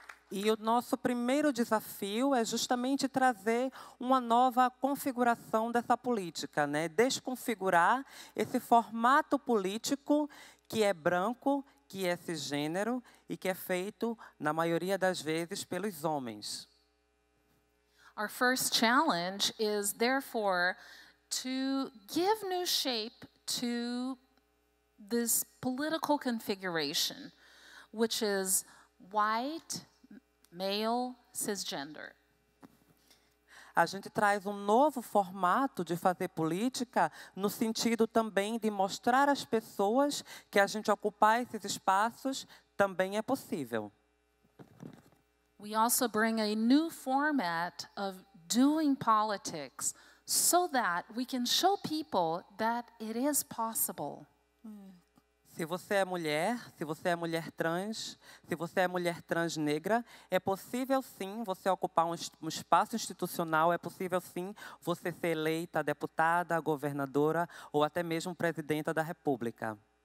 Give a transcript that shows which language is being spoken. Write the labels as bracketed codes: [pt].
[pt] E o nosso primeiro desafio é justamente trazer uma nova configuração dessa política, né? Desconfigurar esse formato político que é branco, que é cisgênero e que é feito, na maioria das vezes, pelos homens. [en] Our first challenge is, therefore, to give new shape to this political configuration, which is white, male, cisgender. [pt] A gente traz um novo formato de fazer política no sentido também de mostrar às pessoas que a gente ocupar esses espaços também é possível. [en] We also bring a new format of doing politics so that we can show people that it is possible. [pt] Se você é mulher, se você é mulher trans, se você é mulher trans negra, é possível sim você ocupar um espaço institucional, é possível sim você ser eleita deputada, governadora ou até mesmo presidenta da República.